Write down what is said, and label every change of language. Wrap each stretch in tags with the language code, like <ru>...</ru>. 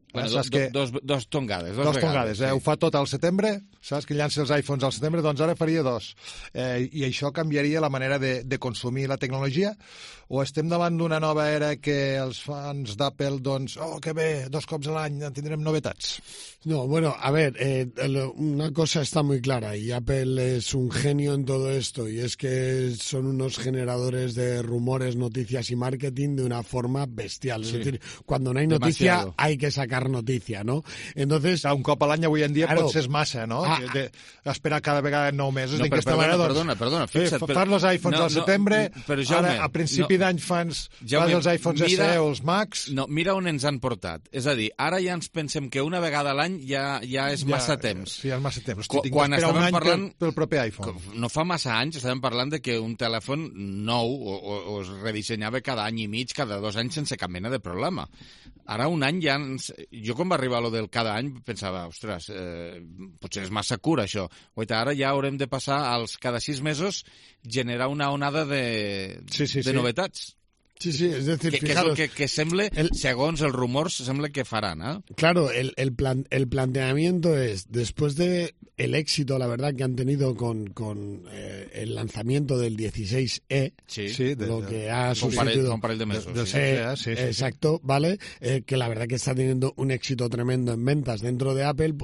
<ca>Dos tongades. Ho fa tot al setembre, saps que llança els iPhones al setembre, doncs ara faria dos. I això canviaria la manera de consumir la tecnologia? O estem davant d'una nova era que els fans d'Apple, doncs, oh, que bé, dos cops a l'any tindrem novetats?</ca> <es>No, bueno, a ver, una cosa está muy clara, y Apple es un genio en todo esto, y es que son unos generadores de rumores, noticias y marketing de una forma bestial. Sí. Es decir, cuando no hay noticia, demasiado. Hay que sacar noticia, ¿no? Entonces...</es> <ca>Un cop a l'any, avui en dia, claro, potser és massa, ¿no? Esperar cada vegada 9 mesos. No, però perdona, fixa't. Fer los iPhones al setembre, ara, a principi d'any, fans, fas els iPhones SE o els Macs... No, mira on ens han portat. És a dir, ara ja ens pensem que una vegada a l'any ja és massa temps. Sí, és massa temps. Quan estàvem parlant... Del proper iPhone. No fa massa anys estàvem parlant de que un telèfon nou o es redissenyava cada any i mig, cada dos anys, sense cap mena de problema. Ara un any ja... Jo quan va arribar lo del cada any pensava, ostres, potser és massa curt això. Guaita, ara ja haurem de passar als cada sis mesos generar una onada de novetats.</ca> <es>Sí, es decir, que fijaros,</es> <ca>que sembla, segons els rumors, sembla que faran, ¿eh?</ca> <es>Claro, el planteamiento es, después de el éxito, la verdad, que han tenido con el lanzamiento del 16E, sí, lo que ha sustituido... Con</es> <ca>parell de mesos.</ca> <es>Sí, exacto. ¿Vale? Que la verdad que está teniendo un éxito tremendo en ventas dentro de Apple.</es>